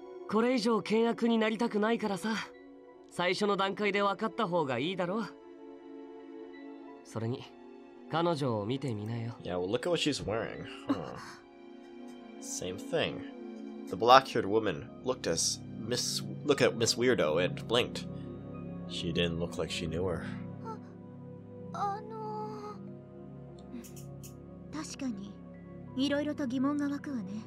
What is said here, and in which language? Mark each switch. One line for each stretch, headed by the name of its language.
Japanese: これ以上険悪になりたくないからさ。最初の段階で分かった方がいいだろう。それに彼女を見てみなよ。Yeah,
English: well, look at what she's wearing. Huh. Same thing. The black-haired woman looked as Miss Weirdo and blinked. She didn't look like she knew her.
Japanese: あの、確かにいろいろと疑問が湧くわね。